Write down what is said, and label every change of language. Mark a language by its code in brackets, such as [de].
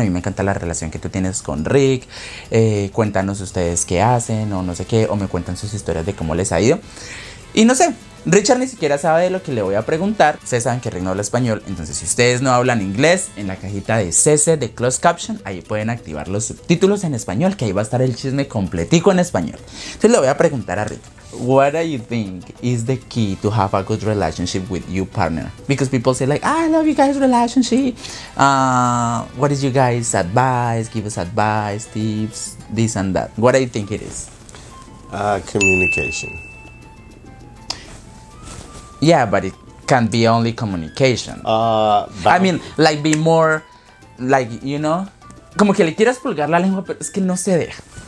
[es] A mí me encanta la relación que tú tienes con Rick. Cuéntanos ustedes qué hacen o no sé qué, o me cuentan sus historias de cómo les ha ido. Y no sé, Richard ni siquiera sabe de lo que le voy a preguntar. Ustedes saben que Rick no habla español, entonces si ustedes no hablan inglés, en la cajita de CC de Closed Caption, ahí pueden activar los subtítulos en español, que ahí va a estar el chisme completico en español. Entonces le voy a preguntar a Rick. [en] What do you think is the key to have a good relationship with your partner? Because people say like, I love you guys' relationship. What is you guys' advice? Give us advice, tips, this and that. What do you think it is? Communication. Yeah, but it can't be only communication. I mean, like, be more, like, you know? [es] Como que le quieras pulgar la lengua, pero es que no se deja.